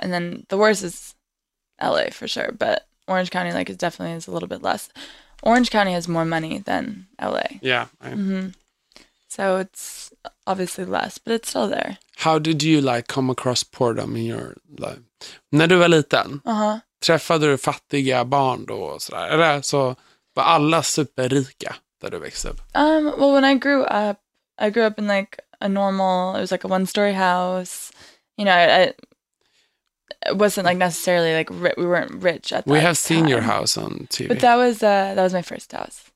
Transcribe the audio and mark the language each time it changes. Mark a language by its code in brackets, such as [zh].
[en] And then the worst is L.A., for sure. But Orange County, like, is definitely a little bit less. Orange County has more money than L.A. Yeah. Mm-hmm. So it's obviously less, but it's still there. How did you, like, come across boredom in your life? [sv] När du var liten, träffade du fattiga barn då och sådär? Eller så var alla superrika? [en] Well, when I grew up in like a normal, it was like a one-story house, you know, it wasn't like necessarily like, we weren't rich at that time. We have seen your house on TV. But that was my first house.